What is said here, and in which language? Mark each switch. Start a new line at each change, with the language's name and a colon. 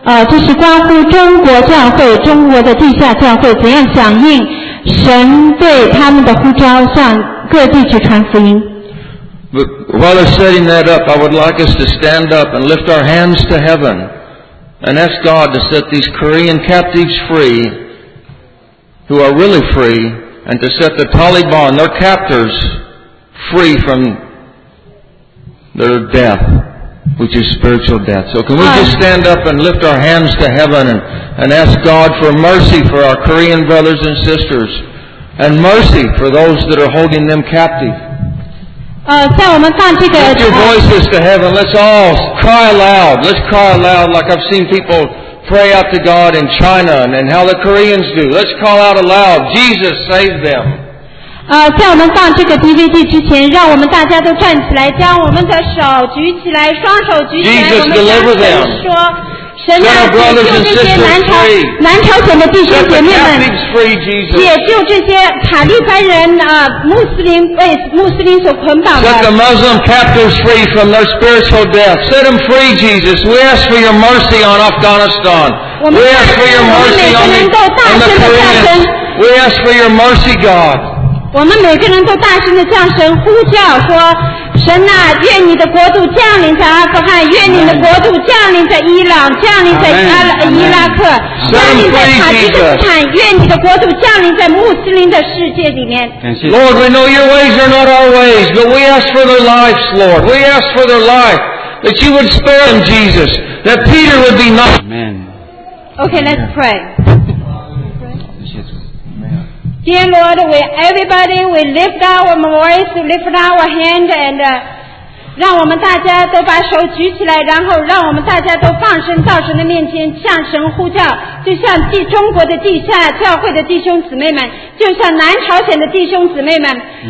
Chinese: 这是关乎中国教会、中国的地下教会怎样响应。神对他们的呼召，向各地去传福音。
English: But while setting that up, I would like us to stand up and lift our hands to heaven and ask God to set these Korean captives free, who are really free, and to set the Taliban, their captors, free from their death, which is spiritual death. So can we just stand up and lift our hands to heaven and ask God for mercy for our Korean brothers and sisters, and mercy for those that are holding them captive. Lift your voices to heaven. Let's all cry aloud. Let's cry aloud like I've seen people pray out to God in China and how the Koreans do. Let's call out aloud, Jesus, save them.
Chinese: 在我们放这个 DVD 之前，让我们大家都站起来，将我们的手举起来，双手举起来，我们向神说：神啊，解救这些南朝鲜的弟兄姐妹们，解救这些塔利班人啊，穆斯林被穆斯林所捆绑的。
English: Set the Muslim captives free from their spiritual death. Set them free, Jesus. We ask for your mercy on Afghanistan. We ask for your mercy on the Koreans. We ask for your mercy, God.
Chinese: 我们每个人都大声地向神呼叫说神啊愿你的国度降临在阿富汗愿你的国度降临在伊朗降临在伊拉克降临在塔吉克斯坦愿你的国度降临在穆斯林的世界里面
English: Lord we know your ways are not our ways but we ask for their lives Lord we ask for their life that you would spare them Jesus that Peter would be not Amen. Okay let's prayDear Lord, we, everybody, we lift our voice, lift our hand, and,
Chinese: 让我们大家都把手举起来，然后让我们大家都放声到神的面前，向神呼叫，就像中国的地下教会的弟兄姊妹们，就像南朝鲜的弟兄姊妹们，